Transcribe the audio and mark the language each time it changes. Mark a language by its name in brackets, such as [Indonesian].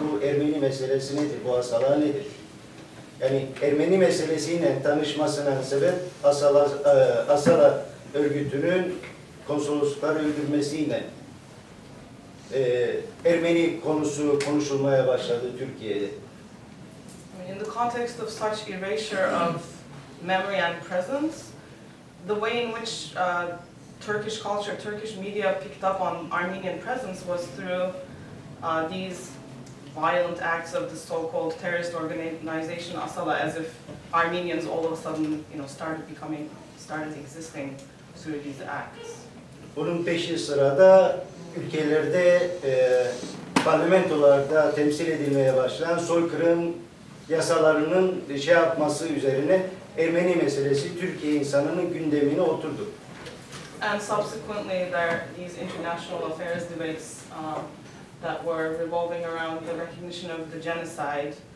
[Turkish] Bu Ermeni meselesi nedir? Bu Asala nedir? Yani Ermeni meselesiyle tanışmasına sebep Asala örgütünün konsoloslukları öldürmesiyle Ermeni konusu konuşulmaya başladı Türkiye'de. [English] In the context of such erasure of memory and presence, the way in which Turkish culture, Turkish media picked up on Armenian presence was through these violent acts of the so-called terrorist organization Asala, as if Armenians all of a sudden, you know, started existing through these acts. [Turkish] Bunun peşi sırada ülkelerde parlamentolarda temsil edilmeye başlayan soykırım yasalarının şey yapması üzerine Ermeni meselesi Türkiye insanının gündemine oturdu. [English] And subsequently, there these international affairs debates that were revolving around the recognition of the genocide.